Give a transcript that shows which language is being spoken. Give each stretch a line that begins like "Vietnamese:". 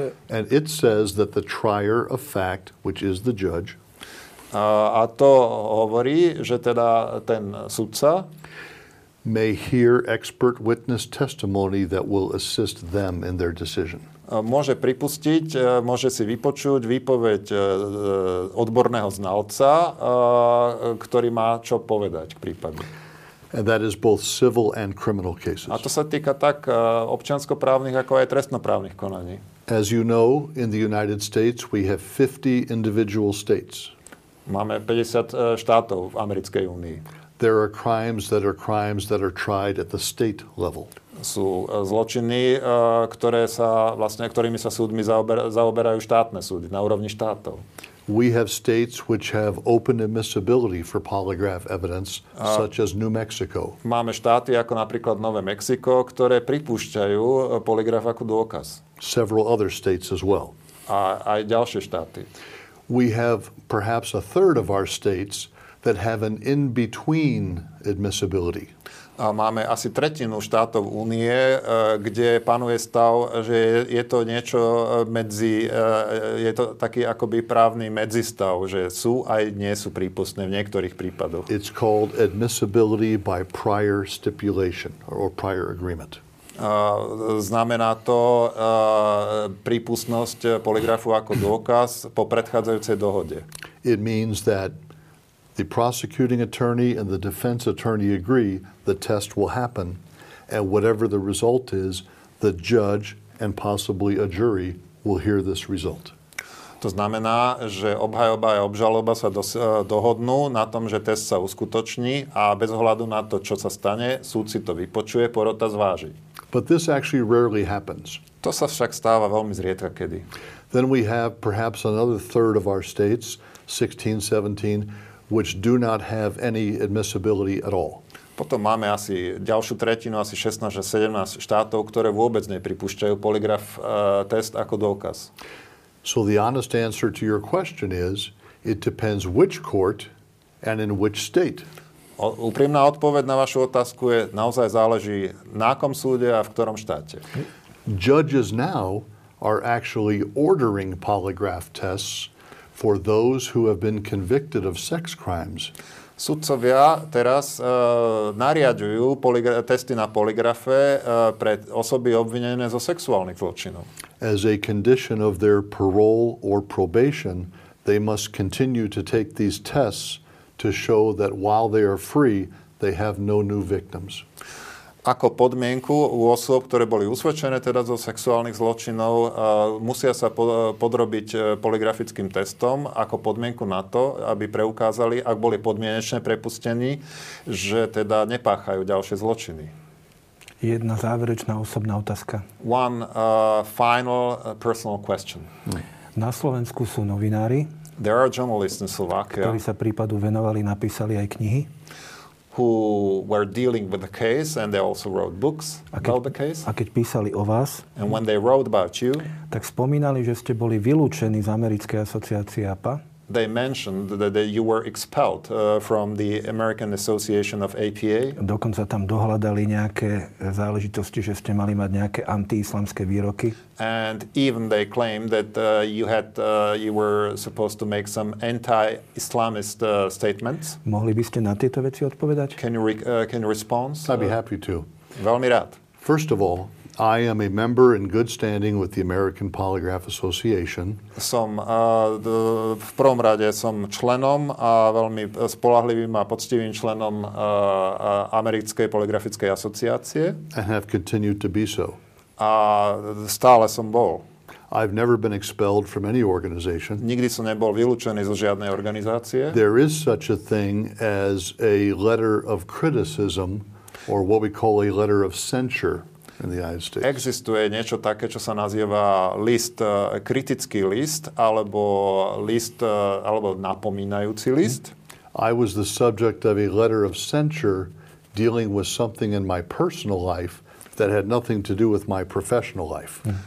English: And it says that the trier of fact, which is the judge,
Slovak: A to hovorí, že teda ten sudca
English: may hear expert witness testimony that will assist them in their decision.
Slovak: Môže pripustiť, môže si vypočuť výpoveď odborného znalca, ktorý má čo povedať k prípadu.
English: And that is both civil and criminal cases.
Slovak: A to sa týka tak občianskoprávnych, ako aj trestnoprávnych konaní.
English: As you know, in the United States we have 50 individual states.
Slovak: Máme 50 štátov v Americkej únii.
English: There are crimes that are tried at the state level.
Slovak: Sú zločiny, ktorými sa súdmi zaoberajú štátne súdy na úrovni štátov.
English: We have states which have open admissibility for polygraph evidence, such as New Mexico.
Slovak: Máme štáty ako napríklad Nové Mexiko, ktoré pripúšťajú polygraf ako dôkaz.
English: Several other states as well.
Slovak: A aj ďalšie štáty.
English: We have perhaps a third of our states that have an in-between admissibility.
Slovak: A máme asi tretinu štátov únie, kde panuje stav, že je to niečo medzi, je to taký akoby právny medzistav, že sú aj nie sú prípustné v niektorých prípadoch.
English: It's called admissibility by prior stipulation or prior agreement.
Slovak: Znamená to prípustnosť polygrafu ako dôkaz po predchádzajúcej dohode.
English: It means that the prosecuting attorney and the defense attorney agree the test will happen and whatever the result is, the judge and possibly a jury will hear this result.
Slovak: To znamená, že obhajoba a obžaloba sa dohodnú na tom, že test sa uskutoční a bez ohľadu na to, čo sa stane, súd si to vypočuje, porota zváži.
English: But this actually rarely happens.
Slovak: To sa však stáva veľmi zriedka kedy.
English: Then we have perhaps another third of our states, 16, 17, which do not have any admissibility at all.
Slovak: Potom máme asi ďalšiu tretinu, asi 16 až 17 štátov, ktoré vôbec nepripúšťajú polygraf test ako dôkaz.
English: So the honest answer to your question is, it depends which court and in which state.
Slovak: Úprimná odpoveď na vašu otázku je, naozaj záleží na akom súde a v ktorom štáte.
English: Judges now are actually ordering polygraph tests for those who have been convicted of sex crimes.
Slovak: Sudcovia teraz nariadujú testy na polygrafe pre osoby obvinené zo sexuálnych zločinov.
English: As a condition of their parole or probation, they must continue to take these tests to show that while they are free, they have no new victims.
Slovak: Ako podmienku u osôb, ktoré boli usvedčené teda zo sexuálnych zločinov, musia sa podrobiť polygrafickým testom ako podmienku na to, aby preukázali, ak boli podmienečne prepustení, že teda nepáchajú ďalšie zločiny. Jedna záverečná osobná otázka.
English: One final personal question.
Slovak: Na Slovensku sú novinári.
English: There are journalists in Slovakia.
Slovak: Ktorí sa prípadu venovali, napísali aj knihy.
English: Who were dealing with the case and they also wrote books about the case.
Slovak: A keď písali o vás,
English: and when they wrote about you,
Slovak: tak spomínali, že ste boli vylúčení z americkej asociácie APA.
English: They mentioned that you were expelled from the American Association of APA.
Slovak: Dokonca tam dohľadali nejaké záležitosti, že ste mali mať nejaké antiislamské výroky.
English: And even they claimed that you were supposed to make some anti-Islamist statements.
Slovak: Mohli by ste na tieto veci odpovedať?
English: Can you respond? I'd be happy to.
Slovak: Veľmi rád.
English: First of all, I am a member in good standing with the American Polygraph Association.
Slovak: Som v prvom rade som členom a veľmi spoľahlivým a poctivým členom americkej polygrafickej asociácie.
English: And have continued to be so.
Slovak: A stále som bol.
English: I've never been expelled from any organization.
Slovak: Nikdy som nebol vylúčený zo žiadnej organizácie.
English: There is such a thing as a letter of criticism or what we call a letter of censure. In the United States.
Slovak: Existuje niečo také, čo sa nazýva list, kritický list, alebo list, alebo napomínajúci list.
English: I was the subject of a letter of censure dealing with something in my personal life that had nothing to do with my professional life.